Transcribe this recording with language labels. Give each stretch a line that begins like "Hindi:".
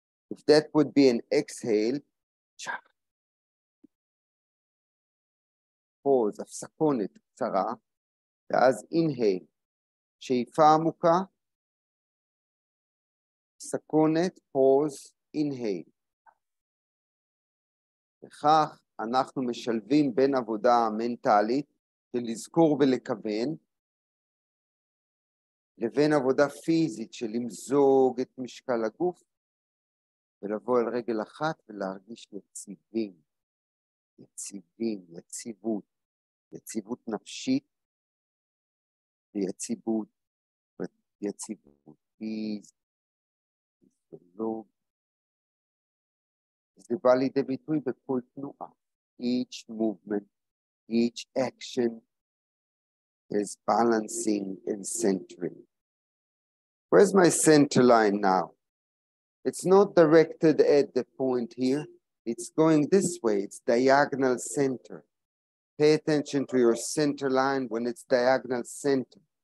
English: If that would be an exhale, pause,
Hebrew: הפסקונת קצרה, ואז
English: inhale,
Hebrew: שאיפה עמוקה, הפסקונת,
English: pause, inhale.
Hebrew: וכך אנחנו משלבים בין עבודה מנטלית של לזכור ולכוון לבין עבודה פיזית של למזוג את משקל הגוף ולבוא על רגל אחת ולהרגיש יציבים, יציבים, יציבות, יציבות נפשית ויציבות, יציבות פיזית, יציבות. זה בא לידי ביטוי בכל תנועה.
English: Each movement, each action is balancing and centering. Where's my center line now? It's not directed at the point here. It's going this way. It's diagonal center. Pay attention to your center line when it's diagonal center.